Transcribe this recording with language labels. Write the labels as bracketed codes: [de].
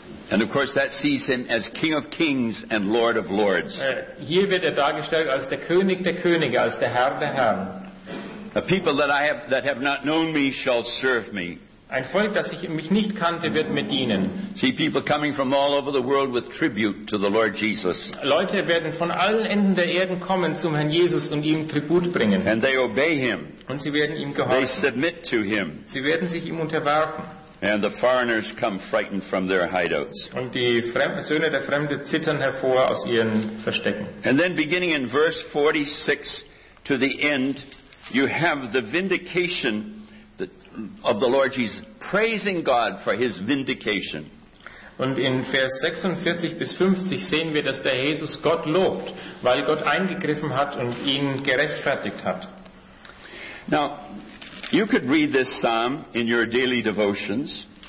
[en] And of course that sees him as King of Kings and Lord of Lords. [de] Hier wird er dargestellt als der König der Könige, als der Herr der Herren. [en] A people that have not known me shall serve me. [de] Ein Volk, das mich nicht kannte, wird mir dienen. [en] See people coming from all over the world with tribute to the Lord Jesus. [de] Leute werden von allen Enden der Erden kommen zum Herrn Jesus und ihm Tribut bringen. [en] And they obey him. [de] Und sie werden ihm gehorchen. [en] They submit to him. [de] Sie werden sich ihm unterwerfen. [en] And the foreigners come frightened from their hideouts. [de] Und die Söhne der Fremde zittern hervor aus ihren Verstecken. [en] And then beginning in verse 46 to the end, you have the vindication of the Lord Jesus, praising God for his vindication. [de] Und in Vers 46 bis 50 sehen wir, dass der Jesus Gott lobt, weil Gott eingegriffen hat und ihn gerechtfertigt hat. [en] Now, you could read this psalm in your daily devotions.